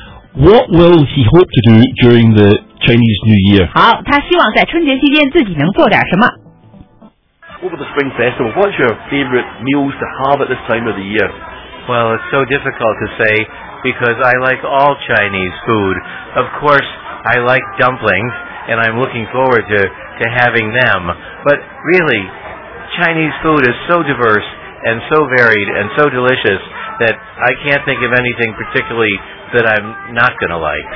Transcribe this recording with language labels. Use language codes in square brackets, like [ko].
[en] What will he hope to do during the Chinese New Year? [zh] 好，他希望在春节期间自己能做点什么。 [en] Over the Spring Festival, what's your favorite meals to have at this time of the year? Well, it's so difficult to say because I like all Chinese food. Of course, I like dumplings and I'm looking forward to having them. But really, Chinese food is so diverse and so varied and so delicious that I can't think of anything particularly that I'm not going to like.